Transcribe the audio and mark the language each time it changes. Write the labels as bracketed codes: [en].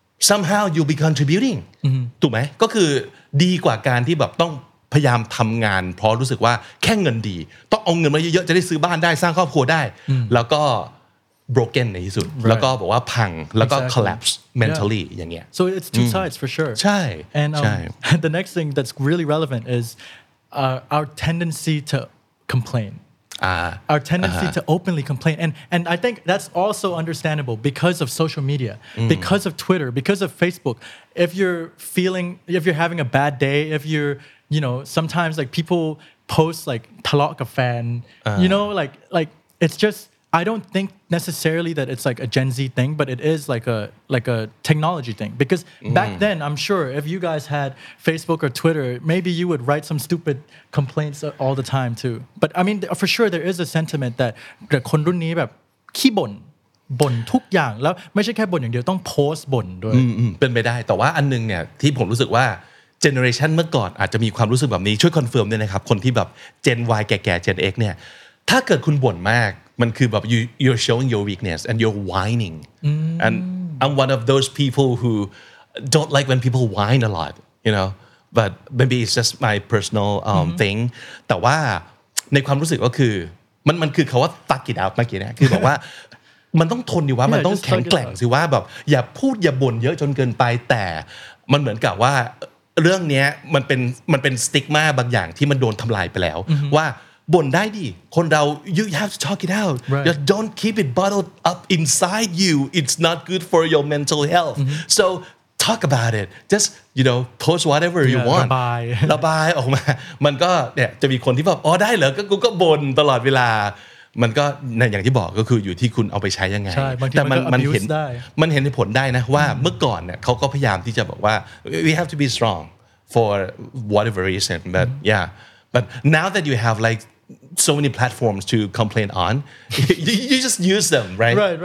[en] somehow you'll be contributing [th] ถูกไหมก็คือดีกว่าการที่แบบต้องพยายามทำงานเพราะรู้สึกว่าแค่เงินดีต้องเอาเงินมาเยอะๆจะได้ซื้อบ้านได้สร้างครอบครัวได้แล้วก็ broken ในที่สุดแล้วก็บอกว่าพังแล้วก็ collapse mentally อย่างเงี้ย [en] so it's two sides for sure [th] ใช่ [en] ใช่ and the next thing that's really relevant is our tendency to complain our tendency to openly complain and I think that's also understandable because of social media because of Twitter because of Facebook if you're feeling if you're having a bad day if you're you know sometimes like people post like [th] ทะเลาะกับแฟน [en] you know like it's justI don't think necessarily that it's like a Gen Z thing, but it is like a technology thing. Because back then, I'm sure if you guys had Facebook or Twitter, maybe you would write some stupid complaints all the time too. But I mean, for sure, there is a sentiment that the [th] คนรุ่นนี้แบบขี้บ่นบ่นทุกอย่างแล้วไม่ใช่แค่บ่นอย่างเดียวต้องโพสต์บ่นด้วย เป็นไปได้แต่ว่าอันนึงเนี่ยที่ผมรู้สึกว่าเจเนอเรชันเมื่อก่อนอาจจะมีความรู้สึกแบบนี้ช่วยคอนเฟิร์มด้วยนะครับคนที่แบบ Gen Y แก่ๆ Gen X เนี่ยถ้าเกิดคุณบ่นมากมันคือแบบ [en] you're showing your weakness and you're whining and I'm one of those people who don't like when people whine a lot you know but maybe it's just my personal thing [th] แต่ว่าในความรู้สึกก็คือมันคือคำว่า fuck it up เมื่อกี้นะคือบอกว่า มันต้องทนดีว่ามันต้องแข็งแกร่งสิว่าแบบอย่าพูดอย่าบ่นเยอะจนเกินไปแต่มันเหมือนกับว่าเรื่องนี้มันเป็นสติ๊กมาบางอย่างที่มันโดนทำลายไปแล้วว่าบ่นได้ดิคนเรา [en] you have to talk it out right. you don't keep it bottled up inside you it's not good for your mental health so talk about it just you know post whatever yeah, you want [th] ระบาย ออกมามันก็เนี่ยจะมีคนที่แบบอ๋อได้เหรอก็บ่นตลอดเวลามันก็ในอย่างที่บอกก็คืออยู่ที่คุณเอาไปใช้ยังไง แต่มันเห็น ผลได้นะว่าเมื่อก่อนเนี่ยเขาก็พยายามที่จะบอกว่า [en] we have to be strong for whatever reason but yeah but now that you have likeso many platforms to complain on you just use them right